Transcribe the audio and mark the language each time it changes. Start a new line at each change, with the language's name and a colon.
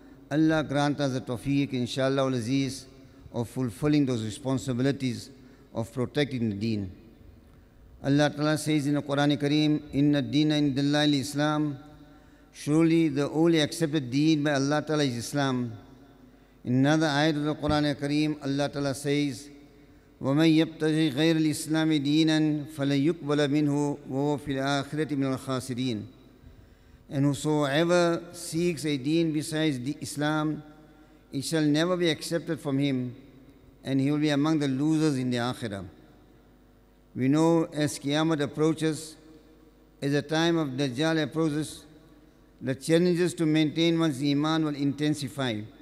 English: Allah grant us a tawfiq inshallah Aziz of fulfilling those responsibilities of protecting the deen. Allah Ta'ala says in the Quran Kareem,
Arabic: Inna deena indillahi al-Islam.
English: Surely the only accepted deen by Allah Ta'ala is Islam. In another ayat of the Quran Kareem, Allah Ta'ala says,
Arabic: وَمَنْ يَبْتَغِي غَيْرَ الْإِسْلَامِ دِينًا فَلَيُقْبَلَ مِنْهُ وَهُوَ فِي الْآخِرَةِ مِنَ الْخَاسِرِينَ.
English: And whosoever seeks a deen besides the Islam, it shall never be accepted from him, and he will be among the losers in the Akhirah. We know as Qiyamah approaches, as the time of Dajjal approaches, the challenges to maintain one's iman will intensify.